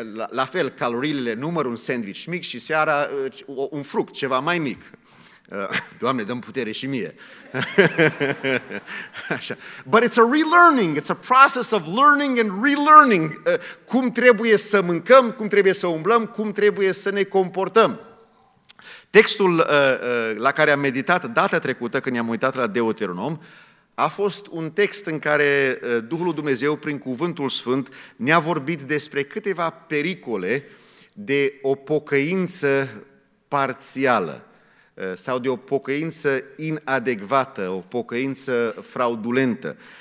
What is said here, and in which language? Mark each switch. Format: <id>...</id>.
<ro>La fel, caloriile, numărul, un sandwich mic și seara un fruct, ceva mai mic. Doamne, dă-mi putere și mie. Așa.</ro> <en>But it's a relearning, it's a process of learning and relearning.</en> <ro>Cum trebuie să mâncăm, cum trebuie să umblăm, cum trebuie să ne comportăm. Textul la care am meditat data trecută, când i-am uitat la Deuteronom, a fost un text în care Duhul Dumnezeu, prin Cuvântul Sfânt, ne-a vorbit despre câteva pericole de o pocăință parțială sau de o pocăință inadecvată, o pocăință fraudulentă.</ro>